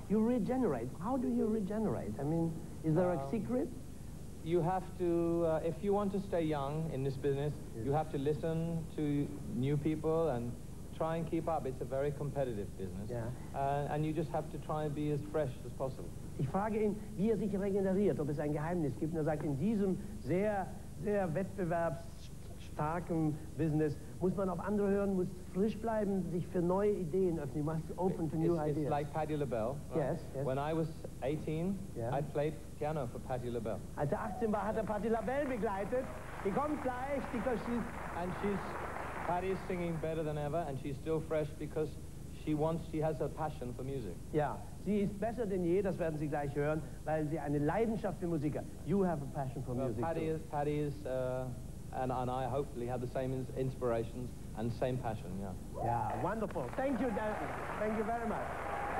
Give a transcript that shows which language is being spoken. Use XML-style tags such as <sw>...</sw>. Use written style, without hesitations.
<en>You regenerate. How do you regenerate? I mean, is there a secret? You have to, if you want to stay young in this business, you have to listen to new people and try and keep up. It's a very competitive business. Yeah. And you just have to try and be as fresh as possible.</en> <de>Ich frage ihn, wie sich regeneriert, ob es ein Geheimnis gibt. Und sagt, in diesem sehr, sehr wettbewerbsstarken Business muss man auf andere hören, muss frisch bleiben, sich für neue Ideen öffnen.</de> <en>You must open to new ideas. It's like Patti LaBelle. Right? Yes, yes. When I was 18, I played piano for Patti LaBelle.</en> <de>Als er 18 war, hat er Patti LaBelle begleitet. Die kommt gleich,</de> <en>because she's... And she's... Patti is singing better than ever, and she's still fresh, because she has a passion for music. Yeah.</en> <de>Sie ist besser denn je, das werden Sie gleich hören, weil sie eine Leidenschaft für Musik hat.</de> <en>You have a passion for music. Patti is... And I hopefully have the same inspirations and same passion, yeah. Yeah, wonderful. Thank you, Dan. Thank you very much.</en>